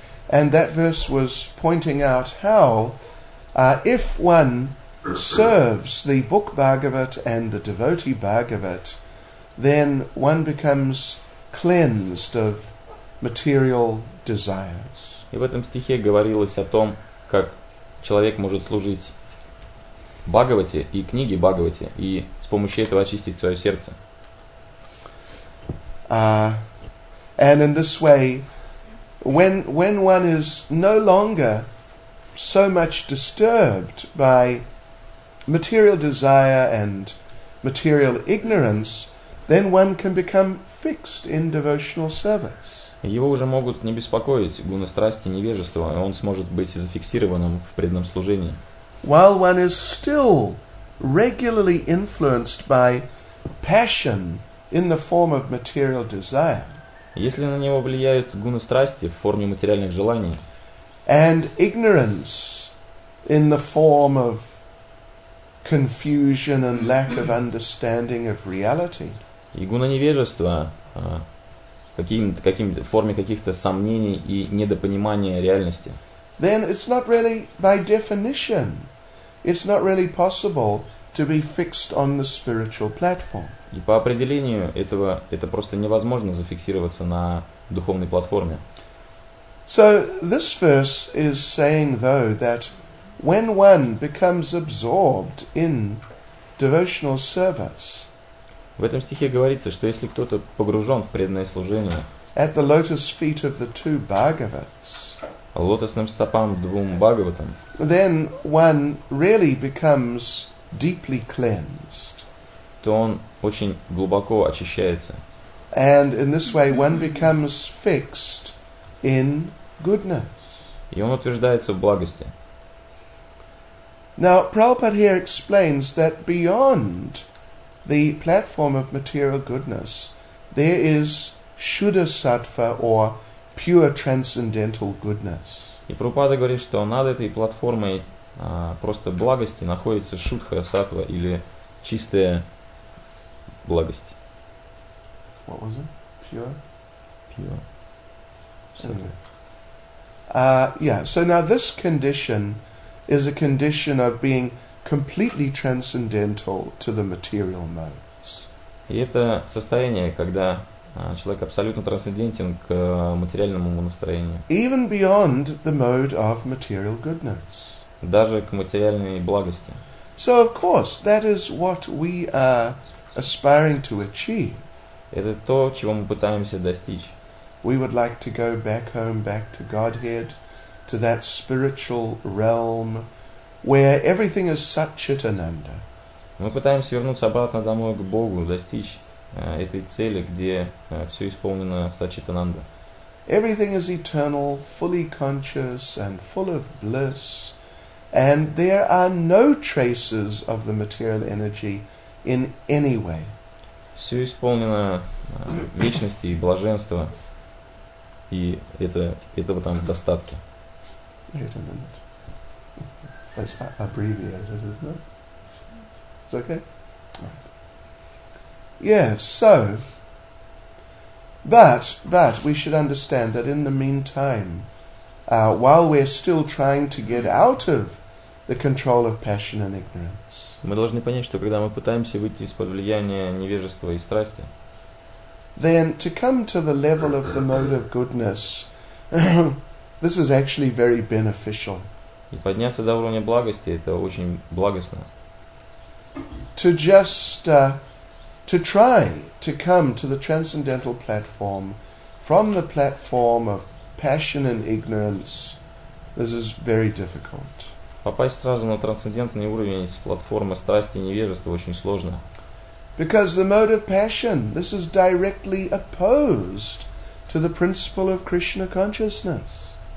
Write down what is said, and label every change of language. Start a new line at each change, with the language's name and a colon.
English: And that verse was pointing out how, if one serves the book Bhagavat and the devotee Bhagavat, then one becomes cleansed of material desires.
Russian: И в этом стихе говорилось о том, как человек может служить Бхагавате и книге Бхагавате и с помощью этого очистить свое сердце.
English: And in this way, when one is no longer so much disturbed by material desire and material ignorance, then one can become fixed in devotional service.
Russian: Его уже могут не беспокоить гуны страсти, невежества, и он сможет быть зафиксированным в преданном служении.
English: While one is still regularly influenced by passion in the form of material desire.
Russian: Если на него влияют гуны страсти в форме материальных желаний.
English: And ignorance in the form of confusion and lack of understanding of reality.
Russian: И гуна невежества каким-то форме каких-то сомнений и недопонимания реальности.
English: Then it's not really by definition, it's not really possible to be fixed on the spiritual platform.
Russian: И по определению этого это просто невозможно зафиксироваться на духовной платформе.
English: So this verse is saying though that when one becomes absorbed in devotional service.
Russian: В этом стихе говорится, что если кто-то погружен в преданное служение,
English: at the lotus feet of the two Bhagavats,
Russian: лотосным стопам двум Бхагаватам,
English: then one really becomes deeply cleansed.
Russian: То он очень глубоко очищается.
English: And in this way one becomes fixed in goodness.
Russian: и он утверждается в благости.
English: Now, Prabhupada here explains that beyond the platform of material goodness, there is shuddha-sattva, or pure transcendental goodness.
Russian: И Прабхупада говорит, что над этой платформой просто благости находится шуддха-саттва, или чистая благость.
English: What was it? Pure? Pure. Anyway. Yeah, so now this condition is a condition of being completely transcendental to the material modes.
Russian: И это состояние, когда человек абсолютно трансцендентен к материальному настроению.
English: Even beyond the mode of material goodness.
Russian: Даже к материальной благости.
English: So of course, that is what we are aspiring to achieve.
Russian: Это то, чего мы пытаемся достичь.
English: We would like to go back home, back to Godhead, to that spiritual realm where everything is Satchitananda.
Russian: Мы пытаемся вернуться обратно домой к Богу, достичь этой цели, где все исполнено Сатчитананда.
English: Everything is eternal, fully conscious and full of bliss, and there are no traces of the material energy in any way.
Russian: Все исполнено вечности и блаженства, и этого там в достатке.
English: Wait a minute. That's abbreviated, isn't it? It's okay? Right. Yeah, so, but we should understand that in the meantime, while we're still trying to get out of the control of passion and ignorance,
Russian: мы должны понять, что когда мы пытаемся выйти из-под влияния невежества и страсти,
English: then to come to the level of the mode of goodness, this is actually very beneficial.
Russian: И подняться до уровня благости — это очень благостно.
English: To just to try to come to the transcendental platform from the platform of passion and ignorance, this is very difficult.
Russian: Попасть сразу на трансцендентный уровень с платформы страсти и невежества очень сложно.
English: Because the mode of passion, this is directly opposed to the principle of Krishna consciousness.